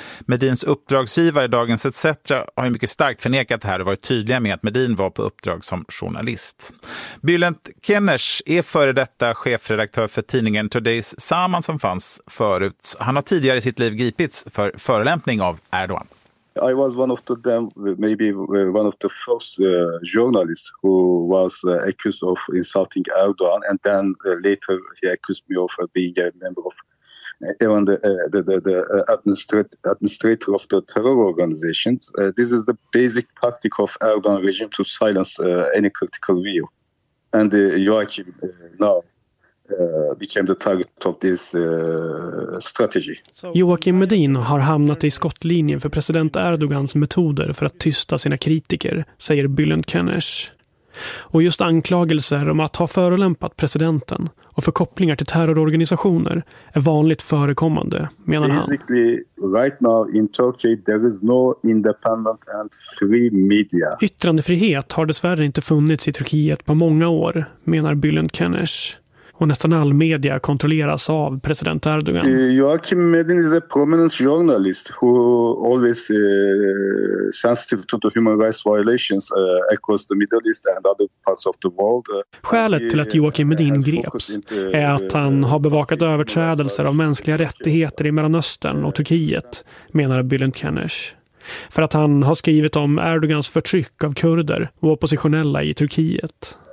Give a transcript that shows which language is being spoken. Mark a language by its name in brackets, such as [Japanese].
[Swedish] Medins uppdragsgivare Dagens ETC har ju mycket starkt förnekat det här och varit tydliga med att Medin var på uppdrag som journalist. Bülent Kenners är före detta chefredaktör för tidningen Today's Zaman som fanns förut. Han har tidigare i sitt liv gripits för förolämpning av Erdogan. [English] I was one of them, maybe one of the first journalists who was accused of insulting Erdogan, and then later he accused me of being a member of even the administrator of the terror organization. This is the basic tactic of Erdogan regime to silence any critical view. And Joachim now became the target of this strategy. [Swedish] Joakim Medin har hamnat i skottlinjen för president Erdogans metoder för att tysta sina kritiker, säger Bülent Kenners. Och just anklagelser om att ha förolämpat presidenten och för kopplingar till terrororganisationer är vanligt förekommande, menar han. [English] Basically, right now in Turkey there is no independent and free media. [Swedish] Yttrandefrihet har dessvärre inte funnits i Turkiet på många år, menar Bülent Kenners. Och nästan all media kontrolleras av president Erdogan. [English] Joakim Medin is a prominent journalist who always sensitive to the human rights violations across the Middle East and other parts of the world. [Swedish] Skälet till att Joakim Medin greps är att han har bevakat överträdelser av mänskliga rättigheter i Mellanöstern och Turkiet, menar Bülent Kenners. För att han har skrivit om Erdogans förtryck av kurder och oppositionella i Turkiet.